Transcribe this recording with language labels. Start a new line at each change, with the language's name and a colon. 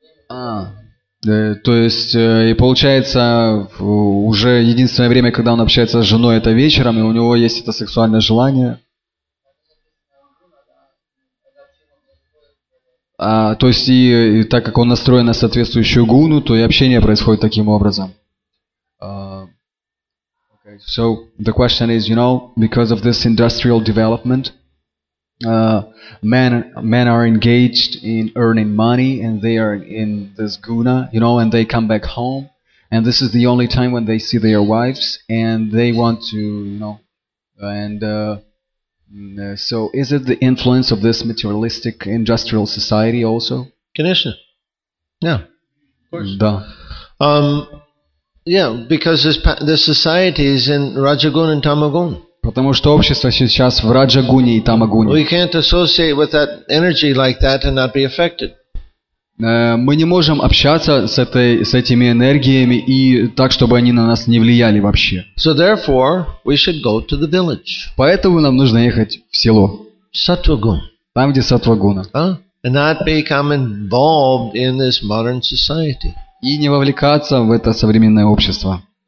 Russian: То есть, и получается, уже единственное время, когда он общается с женой, это вечером, и у него есть это сексуальное желание. То есть, и так как он настроен на соответствующую гуну, то и общение происходит таким образом.
English: So, the question is, you know, because of this industrial development, men are engaged in earning money and they are in this guna, you know, and they come back home and this is the only time when they see their wives and they want to, you know, and so is it the influence of this materialistic industrial society also?
Russian: Конечно.
English: Yeah. Of course.
Russian: Да.
English: Yeah, because this society is in Rajagun and Tamagun.
Russian: Потому что общество сейчас в Раджагуне и Тамагуне.
English: We can't associate with that energy like that and not be affected.
Russian: Мы не можем общаться с этими энергиями и так, чтобы они на нас не влияли вообще.
English: So therefore, we should go to the village.
Russian: Поэтому нам нужно ехать в село. Сатвагун. Там, где Сатвагуна.
English: And not become involved in this modern society.
Russian: И не вовлекаться в это современное общество.